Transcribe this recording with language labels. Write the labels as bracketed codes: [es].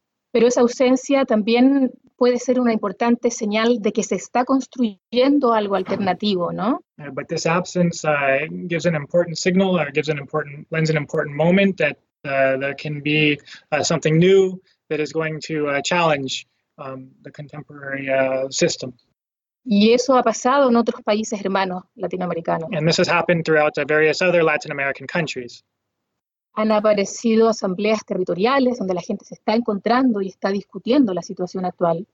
[es] Pero esa ausencia también puede ser una importante señal de que se está construyendo algo alternativo, ¿no? [en] But this absence gives an important signal, or gives an important, lends an important moment that there can be something new that is going to challenge the contemporary system. [es] Y eso ha pasado en otros países hermanos latinoamericanos. [en] And this has happened throughout various other Latin American countries. [es] Han aparecido asambleas territoriales donde la gente se está encontrando y está discutiendo la situación actual.